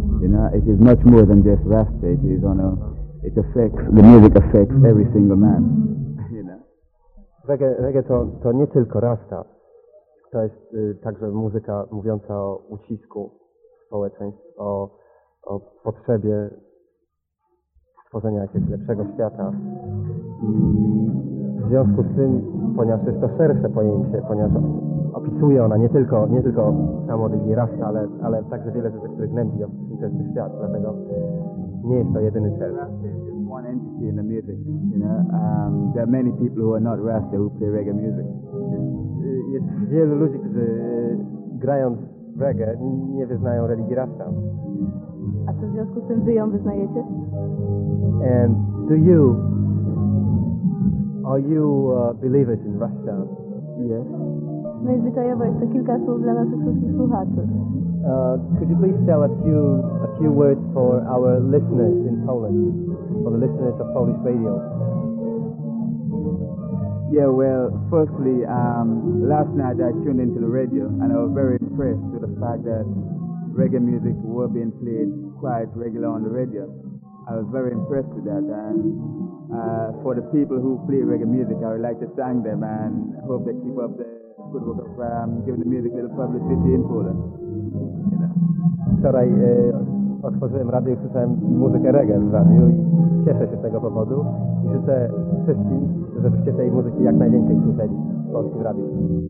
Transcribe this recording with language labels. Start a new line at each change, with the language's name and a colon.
English: You know, it is much more than just Rasta. It is on a. It affects the music affects every single man. You know,
Polish: reggae to nie tylko Rasta. To jest także muzyka mówiąca o ucisku społeczeństw, o potrzebie stworzenia jakiegoś lepszego świata. I w związku z tym, ponieważ jest to szersze pojęcie, ponieważ opisuje ona nie tylko samo religię Rasta, ale także wiele rzeczy, które gnębi ją w ten świat, dlatego nie jest to jedyny cel.
English: One entity in the music, you know. There are many people who are not Rasta who play reggae music.
Polish: Jest wielu ludzi, którzy grając w reggae nie wyznają religii Rasta. A co w związku z tym wy ją wyznajecie?
English: And do you? Are you believers in Rasta? Yes.
Polish: Najzwyczajowo jest to kilka słów dla naszych wszystkich słuchaczy.
English: Could you please tell a few words for our listeners in Poland, for the listeners of Polish radio? Yeah, well, firstly, last night I tuned into the radio and I was very impressed with the fact that reggae music were being played quite regularly on the radio. I was very impressed with that, and for the people who play reggae music, I would like to thank them and hope they keep up the good work of giving the music a little publicity in Poland.
Polish: Wczoraj otworzyłem radio i słyszałem muzykę reggae w radiu i cieszę się z tego powodu i życzę wszystkim, żebyście tej muzyki jak najwięcej słyszeli w polskim radiu.